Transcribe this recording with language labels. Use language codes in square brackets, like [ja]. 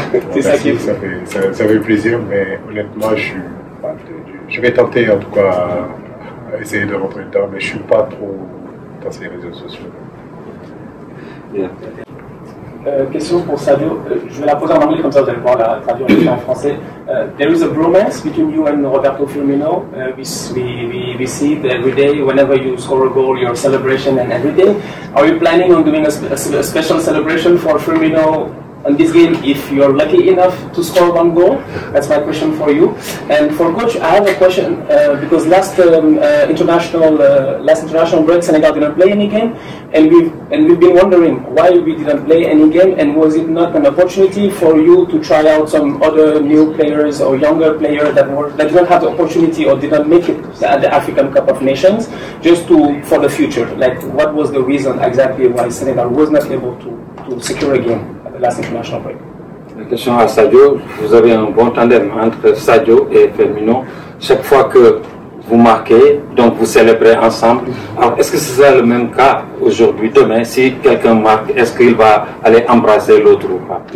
[fr] C'est ça qui est ça fait, ça fait plaisir, mais honnêtement, je vais tenter en tout cas à essayer de rentrer dedans, mais je ne suis pas trop dans ces réseaux sociaux. Question pour Sadio, je vais la poser en anglais comme ça vous allez pouvoir la traduire en français. [en] There is a bromance between you and Roberto Firmino. We see it every day. Whenever you score a goal, your celebration and everything. Are you planning on doing a special celebration for Firmino on this game if you are lucky enough to score one goal? That's my question for you. And for coach, I have a question because last international break, Senegal didn't play any game, and we've been wondering why we didn't play any game, and was it not an opportunity for you to try out some other new players or younger players that didn't have the opportunity or didn't make it at the African Cup of Nations, just for the future? Like, what was the reason exactly why Senegal was not able to secure a game? [fr] La question à Sadio, vous avez un bon tandem entre Sadio et Firmino. Chaque fois que vous marquez, donc vous célébrez ensemble. Alors, est-ce que ce sera le même cas aujourd'hui, demain, si quelqu'un marque, est-ce qu'il va aller embrasser l'autre ou pas?